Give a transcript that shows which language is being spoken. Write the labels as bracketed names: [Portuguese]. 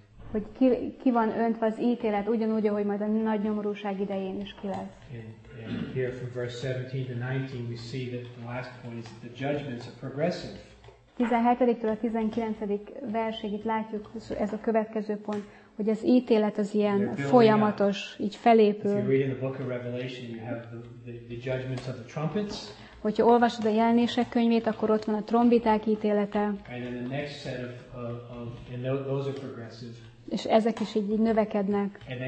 [Hungarian] Hogy ki van öntve az ítélet, ugyanúgy, ahogy majd a nagy nyomorúság idején is ki lesz. [English] And here from verse 17 to 19 we see that the last point is that the judgments are progressive. [Hungarian] 17-től a 19. versig itt látjuk, ez a következő pont, hogy az ítélet az ilyen folyamatos, így felépül. [English] If you read in the book of Revelation, you have the judgments of the trumpets. [Hungarian] Hogyha olvasod a jelenések könyvét, akkor ott van a trombiták ítélete. [English] And then the next set of those are progressive. [Hungarian] És ezek is így növekednek.